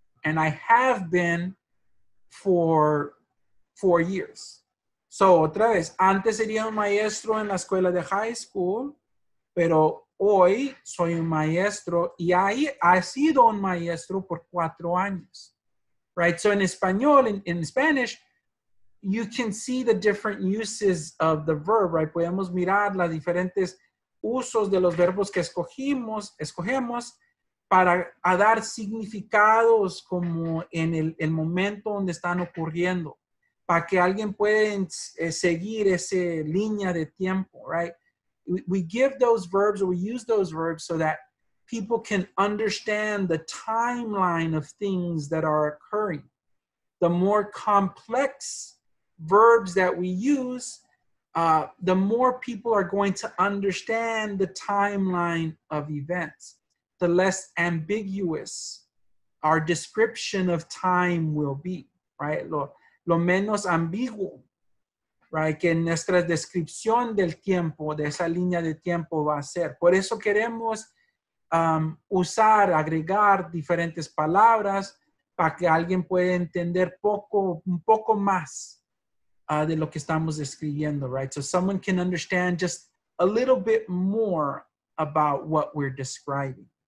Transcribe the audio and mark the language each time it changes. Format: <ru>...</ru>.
<en>And I have been for 4 years.</en> <es>So otra vez, antes sería un maestro en la escuela de high school, pero hoy soy un maestro y ahí ha sido un maestro por 4 años, right?</es> <en>So in español, in Spanish, you can see the different uses of the verb, right?</en> <es>Podemos mirar las diferentes usos de los verbos que escogemos para a dar significados como en el momento donde están ocurriendo, para que alguien pueda seguir esa línea de tiempo, right?</es> <en>We give those verbs, or we use those verbs so that people can understand the timeline of things that are occurring. The more complex verbs that we use, the more people are going to understand the timeline of events. The less ambiguous our description of time will be, right?</en> <es>Lo menos ambiguo. Right, que nuestra descripción del tiempo, de esa línea de tiempo va a ser. Por eso queremos usar, agregar diferentes palabras para que alguien pueda entender un poco más de lo que estamos describiendo, right?</es> <en>So someone can understand just a little bit more about what we're describing.</en>